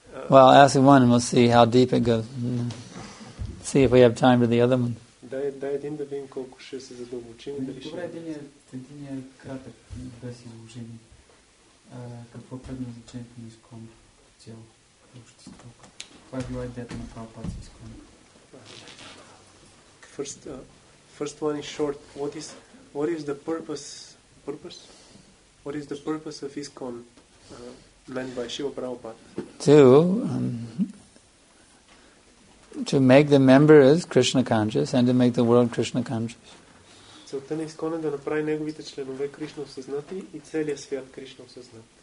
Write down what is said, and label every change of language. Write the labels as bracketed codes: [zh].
[en] Well, ask one and we'll see how deep it goes. See if we have time for the other one. [bg] Дай един да видим колко ще се задълбочим. Добре, един е кратък, без изложение. Какво е предназначението на ИСКОН цяло общество? Каква е била идеята на Прабхупада с ИСКОН? [en] First one is short. What is the purpose? What is the purpose of ISKCON meant by Śrīla Prabhupāda? To make the members Krishna conscious and to make the world Krishna conscious. [bg] Целта на ИСКОН е да направи неговите членове Кришна осъзнати и целия свят Кришна осъзнат.